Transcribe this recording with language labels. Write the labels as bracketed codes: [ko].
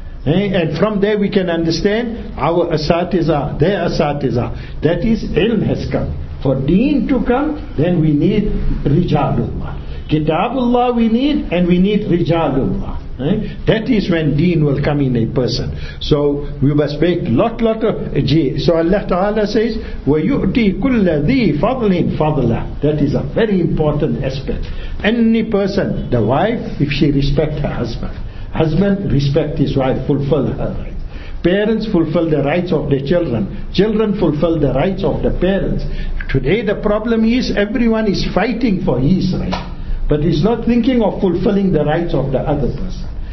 [en] And from there we can understand our asatizah, their asatizah. That is, ilm has come. For deen to come, then we need rijalullah. Kitabullah we need, and we need rijalullah. That is when deen will come in a person. So we must make lot of jih. So Allah Ta'ala says, [ar] وَيُؤْتِي كُلَّ ذِي فَضْلٍ فَضْلًا. [en] That is a very important aspect. Any person, the wife, if she respects her husband. Husband, respect his wife, fulfill her rights. Parents, fulfill the rights of their children. Children, fulfill the rights of the parents. Today the problem is, everyone is fighting for his rights, but he's not thinking of fulfilling the rights of the other person.